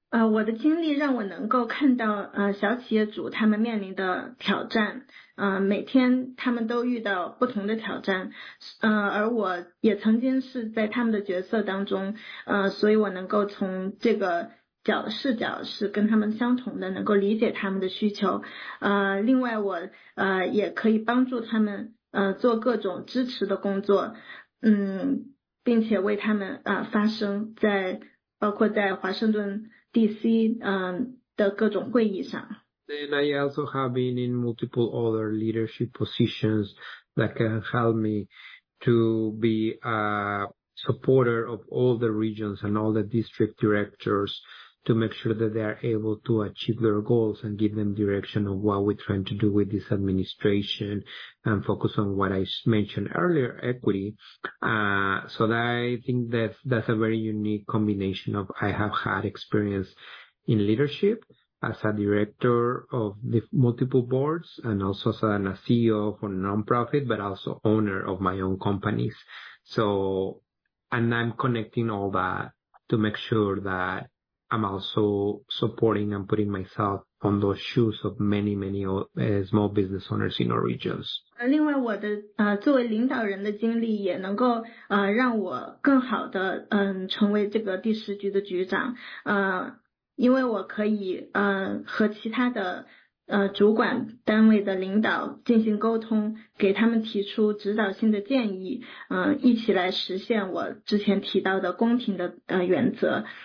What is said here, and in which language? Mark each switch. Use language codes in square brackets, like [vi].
[zh] 我的经历让我能够看到小企业主他们面临的挑战，每天他们都遇到不同的挑战，而我也曾经是在他们的角色当中，所以我能够从这个视角是跟他们相同的，能够理解他们的需求，另外我也可以帮助他们做各种支持的工作，并且为他们发声，在包括在华盛顿D.C. 的各种会议上。 [en] Then I also have been in multiple other leadership positions that can help me to be a supporter of all the regions and all the district directors to make sure that they are able to achieve their goals and give them direction of what we're trying to do with this administration and focus on what I mentioned earlier, equity. So that I think that's a very unique combination of I have had experience in leadership as a director of the multiple boards and also as a CEO for nonprofit, but also owner of my own companies. So, and I'm connecting all that to make sure that I'm also supporting and putting myself on those shoes of many, many small business owners in our regions. [zh] 另外我的作为领导人的经历也能够让我更好的成为这个第十局的局长，因为我可以和其他的主管单位的领导进行沟通，给他们提出指导性的建议，一起来实现我之前提到的公平的原则。